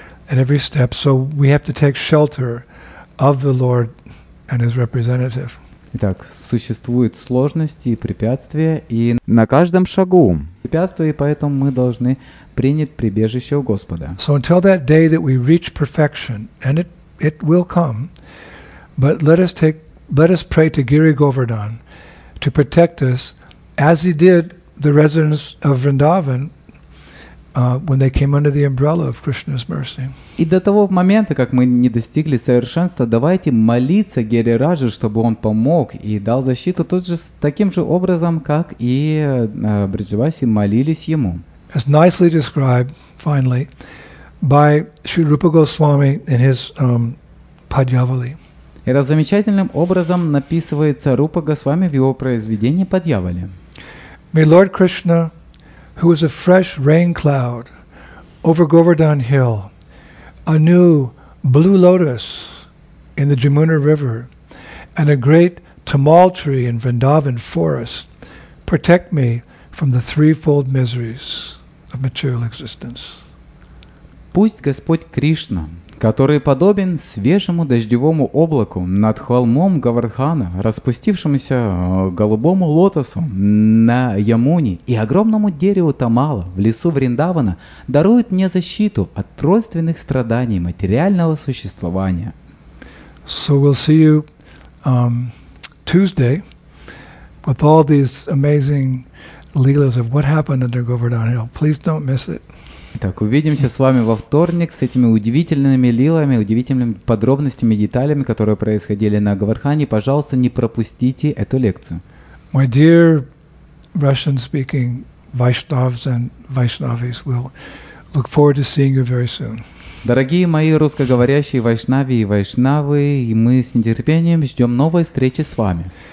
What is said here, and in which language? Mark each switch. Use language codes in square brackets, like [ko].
[en] At every step, so we have to take shelter of the Lord and His representative. [ru] Итак, существуют сложности и препятствия, и на каждом шагу препятствия, и поэтому мы должны принять прибежище у Господа. [en] So until that day that we reach perfection, and it will come, but let us pray to Giri Govardhan to protect us, as He did the residents of Vrindavan. When they came under the umbrella of Krishna's mercy. [ru] И до того момента, как мы не достигли совершенства, давайте молиться Гирираже, чтобы он помог и дал защиту тот же, таким же образом, как и Бриджаваси молились ему. [en] As nicely described, finally, by Sri Rupa Goswami in his Padyavali. [ru] Это замечательным образом написывается Рупа Госвами в его произведении Падьявали. [en] May Lord Krishna, who is a fresh rain cloud over Govardhan Hill, a new blue lotus in the Jamuna River, and a great tamal tree in Vrindavan Forest, protect me from the threefold miseries of material existence. [ru] Пусть Господь Кришна, который подобен свежему дождевому облаку над холмом Говардхана, распустившемуся голубому лотосу на Ямуне и огромному дереву Тамала в лесу Вриндавана, дарует мне защиту от тройственных страданий материального существования. [en] So we'll see you Tuesday with all these amazing leelas of what happened under Govardhan Hill. Please don't miss it. [ru] Итак, увидимся с вами во вторник с этими удивительными лилами, удивительными подробностями, деталями, которые происходили на Говардхане. Пожалуйста, не пропустите эту лекцию. [en] My dear Russian-speaking Vaishnavs and Vaishnavis, we'll look forward to seeing you very soon. [ru] Дорогие мои русскоговорящие Вайшнави и Вайшнавы, мы с нетерпением ждем новой встречи с вами.